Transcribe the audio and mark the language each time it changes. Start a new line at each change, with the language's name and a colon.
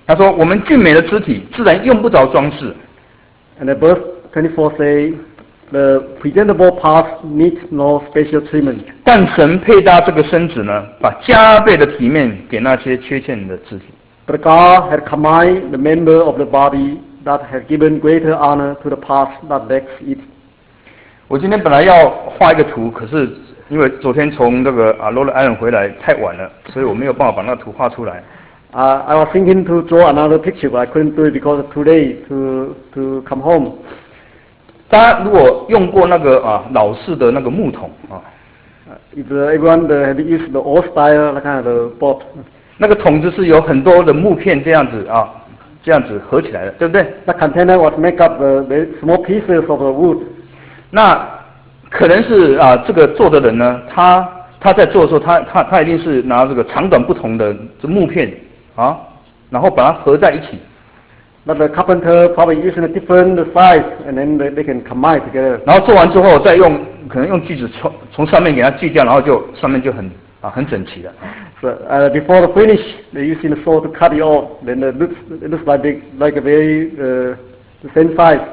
Chinese: 他说，我们俊美的肢体自然用不着装饰。
English: And the verse 24 say, the presentable parts need no special treatment.
Chinese: 但神配搭这个身子呢，把加倍的体面给那些缺欠的肢体。
English: But God had combined the member of the body that had given greater honor to the parts that lacks it.
Chinese: 我今天本来要画一个图，可是因为昨天从那个罗伦艾伦回来太晚了，所以我没有办法把那图画出来。
English: I was thinking to draw another picture, but I couldn't do it because of too late to come home.
Chinese: 大家如果用过那个老式的那个木桶
English: If everyone had used the old style that kind of board,
Chinese: 那个桶子是有很多的木片这样子这样子合起来的，对不对
English: ？That container was made up of the small pieces of the wood.
Chinese: 那可能是这个做的人呢，他他在做的时候，他一定是拿这个长短不同的这木片啊，然后把它合在一起。
English: 那 the carpenter probably using a different size, and then they can combine together.
Chinese: 然后做完之后，再用可能用锯子从上面给它锯掉，然后就上面就很啊很整齐的。
English: So, before the finish, they using the saw to cut it off, then it looks like a very the same size.